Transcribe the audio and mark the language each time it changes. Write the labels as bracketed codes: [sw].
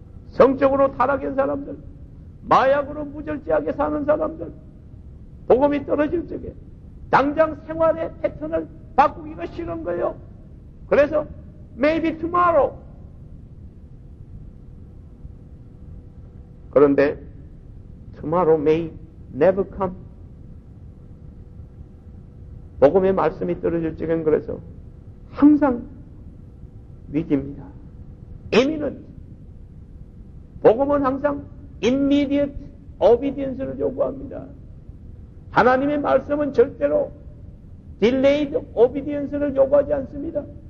[ko] 성적으로 타락한 사람들, 마약으로 무절제하게 사는 사람들, 복음이 떨어질 적에 당장 생활의 패턴을 바꾸기가 싫은 거예요. 그래서 [en] Maybe tomorrow. [ko] 그런데 [en] tomorrow may never come. [ko] 복음의 말씀이 떨어질 지경 그래서 항상 위기입니다. imminent. 복음은 항상 [en] immediate obedience [ko] 를 요구합니다. 하나님의 말씀은 절대로 [en] delayed obedience [ko] 를 요구하지 않습니다.